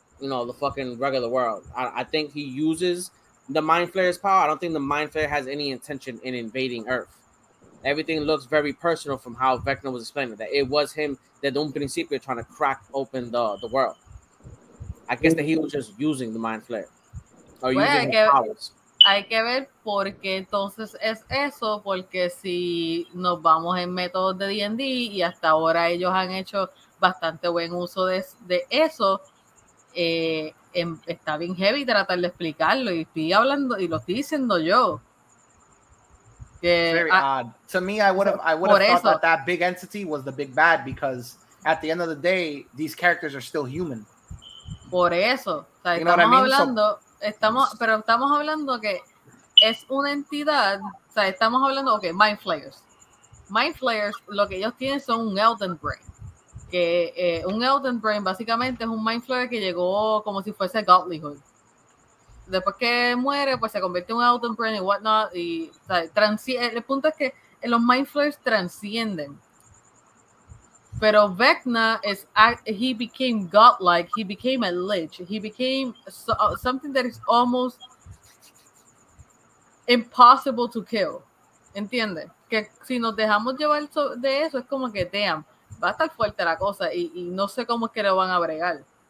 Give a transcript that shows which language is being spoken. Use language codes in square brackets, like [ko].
[en] You know, the fucking regular world. I think he uses the Mind Flayer's power. I don't think the Mind Flayer has any intention in invading Earth. Everything looks very personal from how Vecna was explaining that it was him that [es] de un principio [en] trying to crack open the world. I guess that he was just using the Mind Flayer. Or well, using his powers. [es] Hay que ver por qué entonces es eso, porque si nos vamos en métodos de D&D y hasta ahora ellos han hecho bastante buen uso de eso. Está bien heavy tratar de explicarlo y estoy hablando y lo estoy diciendo yo. [en] Very odd. To me, I would have thought that big entity was the big bad because at the end of the day, these characters are still human. [es] Por eso, o sea, estamos hablando que es una entidad, o sea, estamos hablando, okay, Mind Flayers. Mind Flayers, lo que ellos tienen son un Elden Brain. Que un Elden Brain básicamente es un Mind Flayer que llegó como si fuese Godlyhood. Después que muere, pues se convierte en un Elden Brain y whatnot. Y, o sea, el punto es que los Mind Flayers transcienden. Pero Vecna es. [en] He became godlike. He became a lich. He became something that is almost impossible to kill. [es] ¿Entiendes? Que si nos dejamos llevar de eso, es como que damn. Va a estar fuerte la cosa y no sé cómo es que lo van a bregar.